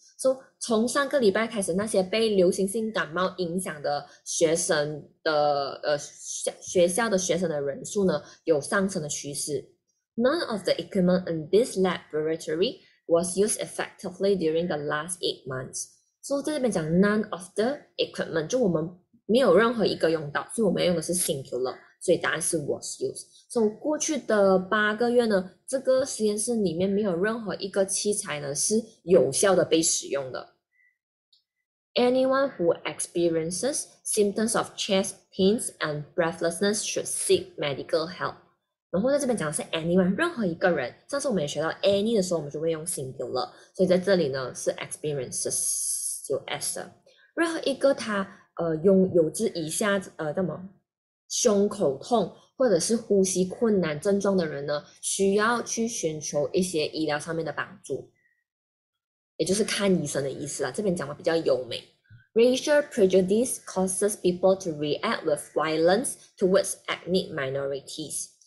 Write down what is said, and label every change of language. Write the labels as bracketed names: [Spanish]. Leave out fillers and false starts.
[Chinese] So 从上个礼拜开始，那些被流行性感冒影响的学生的学校的学生的人数呢，有上升的趋势。 [English] None of the equipment in this laboratory was used effectively during the last 8 months。 [Chinese] So 在这边讲 [English] none of the equipment， [Chinese] 就我们没有任何一个用到，所以我们用的是 singular，所以答案是 [English] was used。 [Chinese] 从过去的8个月呢，这个实验室里面没有任何一个器材呢是有效的被使用的。 [English] Anyone who experiences symptoms of chest pains and breathlessness should seek medical help。 [Chinese] 然后在这边讲的是 anyone，任何一个人。上次我们也学到 any 的时候，我们就会用 singular，所以在这里呢是 experiences 就 s 了。任何一个他有之以下什么胸口痛，或者是呼吸困难症状的人呢，需要去寻求一些医疗上面的帮助，也就是看医生的意思啦。这边讲的比较优美。 [English] Racial prejudice causes people to react with violence towards ethnic minorities.